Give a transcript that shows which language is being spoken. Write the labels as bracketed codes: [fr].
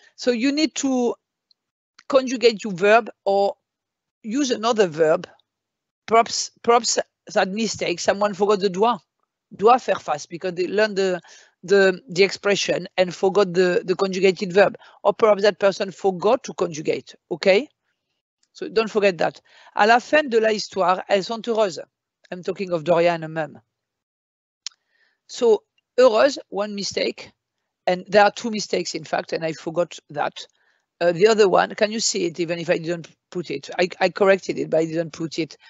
[en] So you need to conjugate your verb or use another verb. Perhaps that mistake, someone forgot the doit. [fr] Doit faire face [en] because they learned the expression and forgot the conjugated verb. Or perhaps that person forgot to conjugate, okay? So don't forget that. [fr] À la fin de la histoire, elles sont heureuses. [en] I'm talking of Doria and her mom. So, heureuse, one mistake. And there are two mistakes, in fact, and I forgot that. The other one, can you see it even if I didn't put it? I corrected it, but I didn't put it.